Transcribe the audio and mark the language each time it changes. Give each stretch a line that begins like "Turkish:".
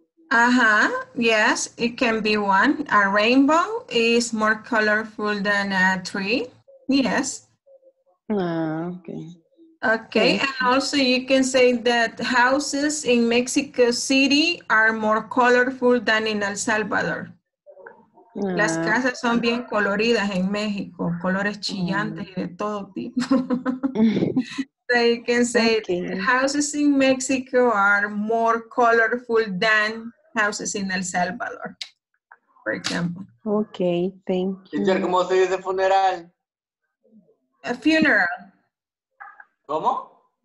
English: Uh-huh. Yes, it can be one. A rainbow is more colorful than a tree. Yes. Okay. Okay, and also you can say that houses in Mexico City are more colorful than in El Salvador.
Spanish: Las casas son bien coloridas en México, colores chillantes y de todo tipo.
English: So you can say houses in Mexico are more colorful than houses in El Salvador, for example. Okay, thank you.
Spanish: ¿Cómo se dice funeral?
English: A funeral.
Spanish: ¿Cómo?